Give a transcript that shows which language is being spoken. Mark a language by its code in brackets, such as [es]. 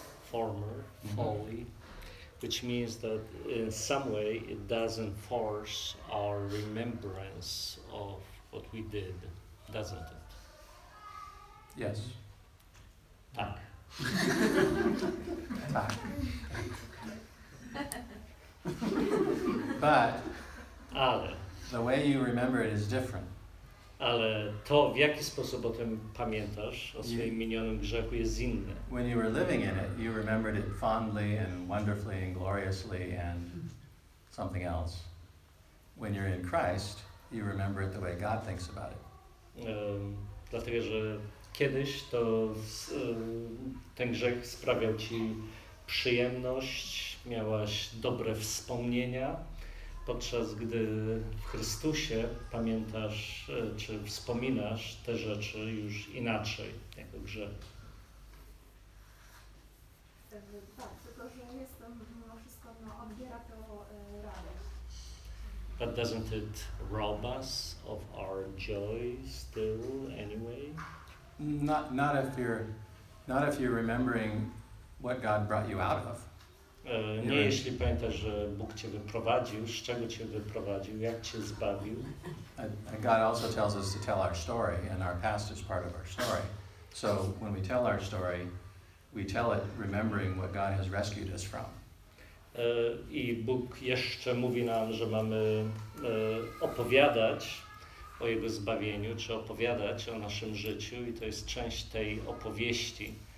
[en] Former folly, which means that in some way it doesn't force our remembrance of what we did, doesn't it? Yes. [pl] Tak. Tak. [en] But [pl] ale [en] the way you remember it is different. [pl] Ale to, w jaki sposób o tym pamiętasz, o swoim minionym grzechu, jest inne. [en] When you were living in it, you remembered it fondly and wonderfully and gloriously and something else. When you're in Christ, you remember it the way God thinks about it. [pl] Dlatego, że kiedyś to ten grzech sprawiał ci przyjemność, miałaś dobre wspomnienia. Podczas gdy w Chrystusie pamiętasz, czy wspominasz te rzeczy już inaczej, jako grzech. Tak, tylko że jestem mimo wszystko, odbiera to radość. [en] But doesn't it rob us of our joy still anyway? Not if you're remembering what God brought you out of. [pl] Nie, jeśli pamiętasz, że Bóg cię wyprowadził, z czego cię wyprowadził, jak cię zbawił. [en] God also tells us to tell our story, and our past is part of our story. So when we tell our story, we tell it remembering what God has rescued us from. [pl] I Bóg jeszcze mówi nam, że mamy opowiadać o Jego zbawieniu, czy opowiadać o naszym życiu, i to jest część tej opowieści.